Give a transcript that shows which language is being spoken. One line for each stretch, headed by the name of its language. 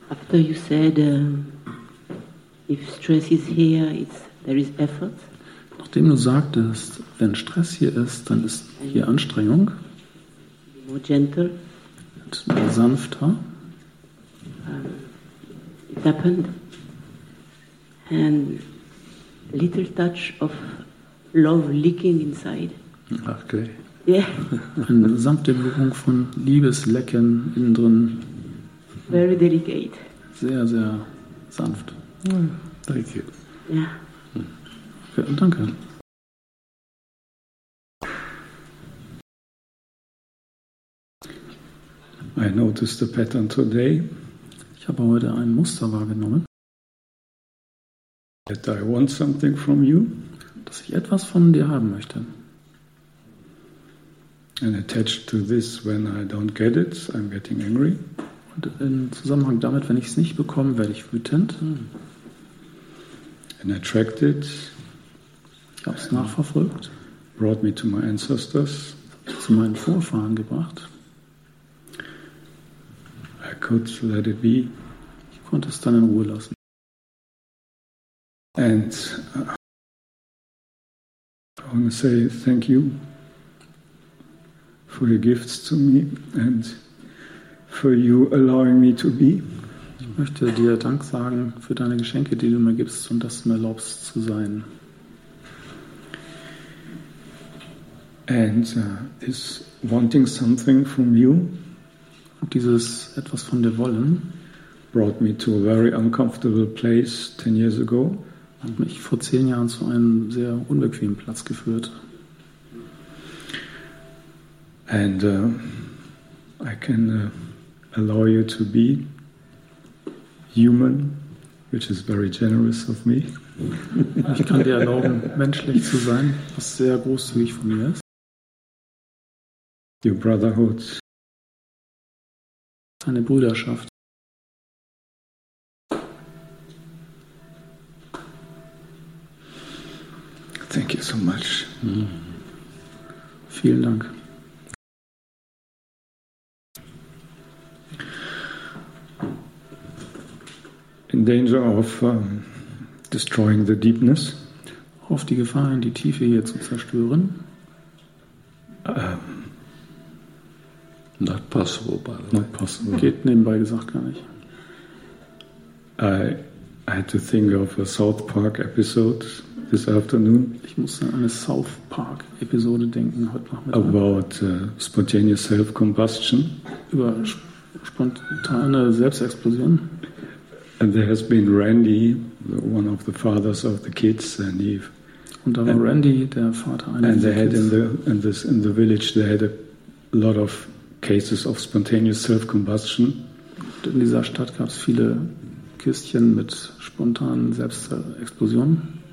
English: So you said, if stress is here, there is effort.
German: Nachdem du sagtest, wenn Stress hier ist, dann ist hier Anstrengung.
English: More gentle.
German: Und mehr sanfter.
English: It happened. And a little touch of love leaking inside. Okay. Yeah.
German: Eine sanfte Berührung von Liebeslecken innen drin.
English: Very delicate.
German: Sehr, sehr sanft.
English: Thank you.
German: Ja. Ja, danke.
English: I noticed the pattern today.
German: Ich habe heute ein Muster wahrgenommen.
English: That I want something from you.
German: Dass ich etwas von dir haben möchte.
English: And attached to this, when I don't get it, I'm getting angry.
German: Und in Zusammenhang damit, wenn ich es nicht bekomme, werde ich wütend.
English: And attracted.
German: Ich habe es nachverfolgt.
English: Brought me to my ancestors.
German: Zu meinen Vorfahren gebracht.
English: I could let it be.
German: Ich konnte es dann in Ruhe lassen.
English: And I want to say thank you for your gifts to me and for you allowing me to be.
German: Ich möchte dir Dank sagen für deine Geschenke, die du mir gibst und dass du mir erlaubst zu sein.
English: And is wanting something from you,
German: dieses etwas von dir wollen,
English: brought me to a very uncomfortable place 10 years ago,
German: hat mich vor 10 Jahren zu einem sehr unbequemen Platz geführt.
English: And I can allow you to be human, which is very generous of me.
German: Ich kann dir erlauben, menschlich zu sein, was sehr großzügig von mir ist.
English: Your brotherhood.
German: Deine Brüderschaft.
English: Thank you so much. Mm.
German: Vielen Dank.
English: In danger of destroying the deepness.
German: Auf die Gefahr, die Tiefe hier zu zerstören.
English: Not possible, by the way. Not possible.
German: Geht nebenbei gesagt gar nicht.
English: I had to think of a South Park episode this afternoon.
German: Ich musste an eine South Park Episode denken heute Nachmittag.
English: About spontaneous self-combustion.
German: Über spontane Selbstexplosion.
English: And there has been Randy, one of the fathers of the kids, and Eve.
German: Und da war and, Randy, der Vater einer
English: And they had kids. in the village, they had a lot of cases of spontaneous self-combustion.
German: Und in dieser Stadt gab es viele Kistchen mit spontanen Selbstexplosionen.